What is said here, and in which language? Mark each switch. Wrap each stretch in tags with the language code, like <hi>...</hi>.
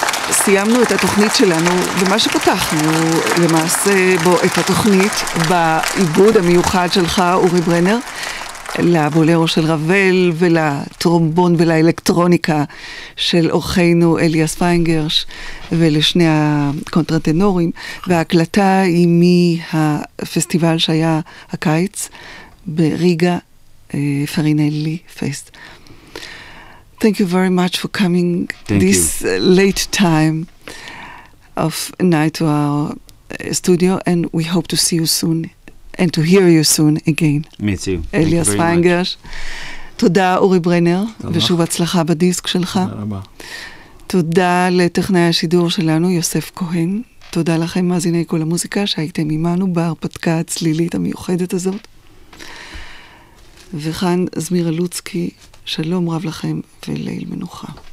<he>סיימנו את התוכנית שלנו, ומה שפתחנו למעשה בו את התוכנית בעיבוד המיוחד שלך, אורי ברנר, לבולרו של רבל ולטרומבון ולאלקטרוניקה של אורחנו אליאס פיינגרש ולשני הקונטרטנורים, וההקלטה היא מהפסטיבל שהיה הקיץ בריגה, פרינלי פסט.</he> <en>Thank you very much for coming late time of night to our studio, and we hope to see you soon and to hear you soon again. Me too. Elias Feingersh.</en> <he>תודה אורי ברנר, ושוב הצלחה בדיסק שלך. תודה לטכנאי השידור שלנו יוסף כהן. תודה לכם מאזיני כל המוזיקה שהייתם עמנו בהרפתקה הצלילית המיוחדת הזאת. וכאן זמירה לוצקי, שלום רב לכם וליל מנוחה.</he>